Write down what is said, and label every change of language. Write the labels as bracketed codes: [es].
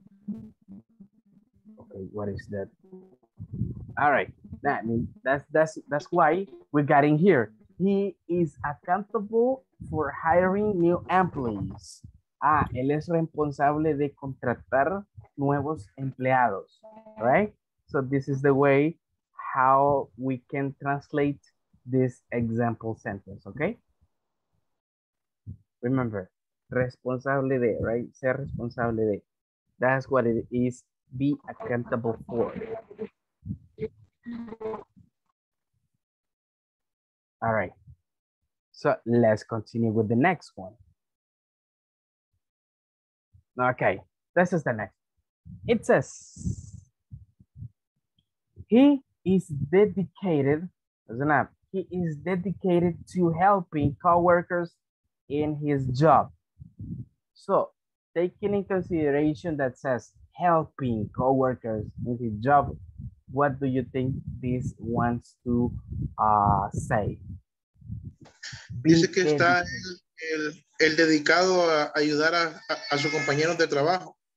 [en] Okay, what is that? All right. That's why we got in here. He is accountable for hiring new employees. [es] Ah, él es responsable de contratar nuevos empleados, right? [en] So this is the way how we can translate this example sentence, okay? [es] Remember, responsable de, right? Ser responsable de. [en] That's what it is, be accountable for. All right. So let's continue with the next one. Okay, this is the next. It says, he is dedicated, isn't it? He is dedicated to helping coworkers in his job. So taking in consideration that says helping coworkers in his job, what do you think this wants to say? [es] Dice que está el dedicado a ayudar a sus compañeros de trabajo.